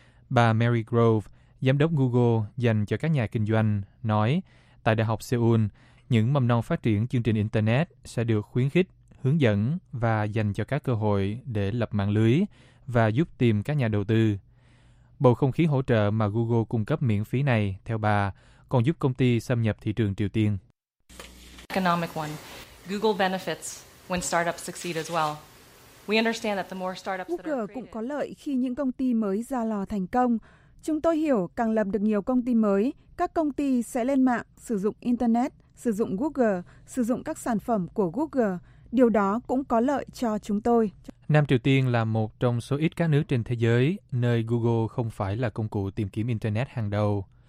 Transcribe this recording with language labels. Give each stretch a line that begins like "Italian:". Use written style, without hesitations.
Vietnamese: Bà Mary Grove, giám đốc Google dành cho các nhà kinh doanh, nói tại Đại học Seoul, những mầm non phát triển chương trình Internet sẽ được khuyến khích, hướng dẫn và dành cho các cơ hội để lập mạng lưới và giúp tìm các nhà đầu tư. Bầu không khí hỗ trợ mà Google cung cấp miễn phí này, theo bà, còn giúp công ty xâm nhập thị trường Triều Tiên.
English: Economic one. Google benefits when startups succeed as well. We understand that the more startups that are created,
Vietnamese: Google cũng có lợi khi những công ty mới ra lò thành công. Chúng tôi hiểu càng lập được nhiều công ty mới, các công ty sẽ lên mạng, sử dụng Internet, sử dụng Google, sử dụng các sản phẩm của Google. Điều đó cũng có lợi cho chúng tôi. Nam Triều Tiên là một trong số ít các nước trên thế giới nơi Google không phải là công cụ tìm kiếm Internet hàng đầu.